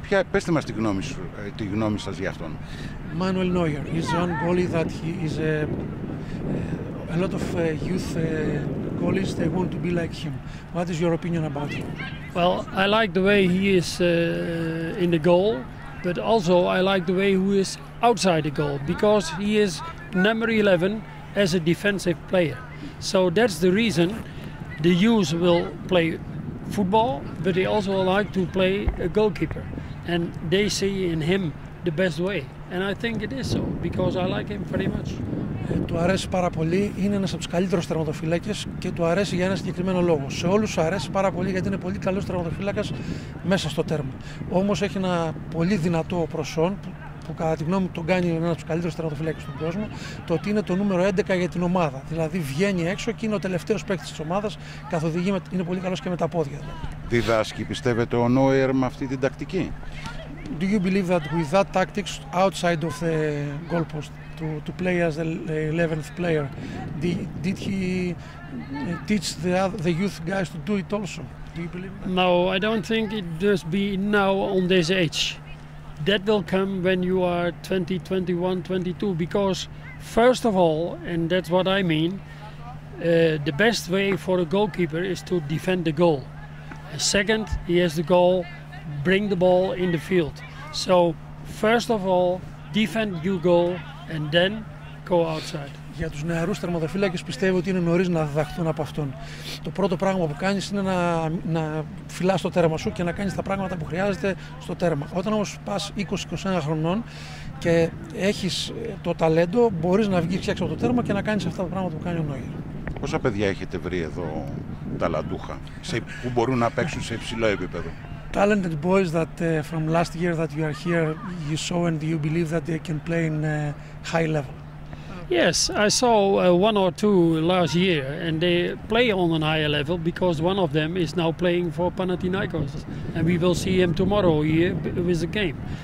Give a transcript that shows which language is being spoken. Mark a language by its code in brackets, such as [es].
[el] Πέστε μας τη γνώμη σας για αυτόν. [en] Manuel Neuer is one goalie that he is a lot of youth goalies. They want to be like him. What is your opinion about him? Well, I like the way he is in the goal, but also I like the way he is outside the goal because he is number 11 as a defensive player. So that's the reason the youth will play football, but they also like to play a goalkeeper, and they see in him the best way. And I think it is so because I like him very much. [el] Του αρέσει πάρα πολύ. Είναι ένας από τους καλύτερους τερματοφύλακες και του αρέσει για ένα συγκεκριμένο λόγο. Σε όλους αρέσει πάρα πολύ γιατί είναι πολύ καλός τερματοφύλακας μέσα στο τέρμα. Όμως έχει ένα πολύ δυνατό προσόν που κατά τη γνώμη μου τον κάνει ένα από τους καλύτερους τερματοφυλάκες στον κόσμο, το ότι είναι το νούμερο 11 για την ομάδα. Δηλαδή βγαίνει έξω και είναι ο τελευταίος παίκτης της ομάδας, καθοδηγεί, είναι πολύ καλός και με τα πόδια. Διδάσκει, πιστεύετε, ο Νόερ με αυτή την τακτική? [en] Do you believe that with that tactics outside of the goalpost to play as the 11th player, did he teach the youth guys to do it also? Do you believe that? No, I don't think it does be now on this age. That will come when you are 20, 21, 22. Because first of all, and that's what I mean, the best way for a goalkeeper is to defend the goal. Second, he has the goal, bring the ball in the field. So first of all, defend your goal and then go outside. [el] Για τους νεαρούς τερματοφύλακες πιστεύω ότι είναι νωρίς να διδαχθούν από αυτόν. Το πρώτο πράγμα που κάνεις είναι να φυλάς το τέρμα σου και να κάνεις τα πράγματα που χρειάζεται στο τέρμα. Όταν όμως πας 20-21 χρονών και έχεις το ταλέντο, μπορείς να βγεις έξω από το τέρμα και να κάνεις αυτά τα πράγματα που κάνει ο Νόιερ. Πόσα παιδιά έχετε βρει εδώ ταλαντούχα που μπορούν να παίξουν σε υψηλό επίπεδο? [en] Talented boys that from last year that you are here, you saw and you believe that they can play in high level. Yes, I saw one or two last year, and they play on a higher level because one of them is now playing for Panathinaikos, and we will see him tomorrow here with the game.